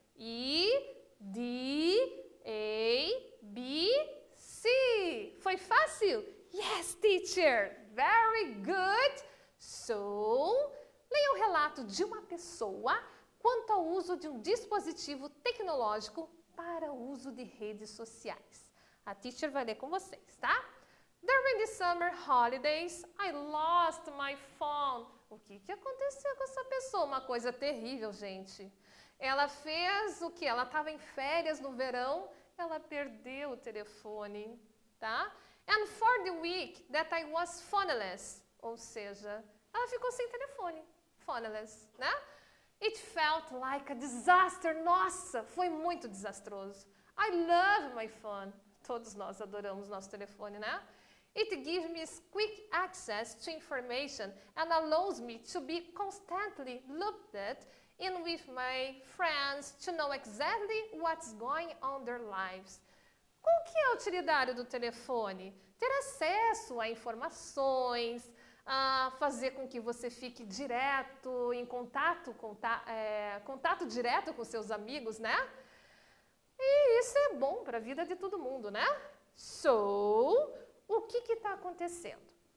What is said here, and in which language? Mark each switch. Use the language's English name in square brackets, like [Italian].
[Portuguese] E, D, A, B, C. Foi fácil? [English] Yes, teacher. Very good. [Portuguese] So, leia um relato de uma pessoa quanto ao uso de um dispositivo tecnológico para o uso de redes sociais. A teacher vai ler com vocês, tá? [English] During the summer holidays, I lost my phone. [Portuguese] O que que aconteceu com essa pessoa? Uma coisa terrível, gente. Ela fez o quê? Ela estava em férias no verão, ela perdeu o telefone, tá? [English] And for the week that I was phoneless, [Portuguese] ou seja, ela ficou sem telefone, [English] phoneless, né? It felt like a disaster, [Portuguese] nossa, foi muito desastroso. [English] I love my phone, [Portuguese] todos nós adoramos nosso telefone, né? [English] It gives me quick access to information and allows me to be constantly looked at in with my friends to know exactly what's going on their lives. [Portuguese] Qual que é a utilidade do telefone? Ter acesso a informações, a fazer com que você fique direto em contato, contato direto com seus amigos, né? E isso é bom para a vida de todo mundo, né? So, o que que está acontecendo?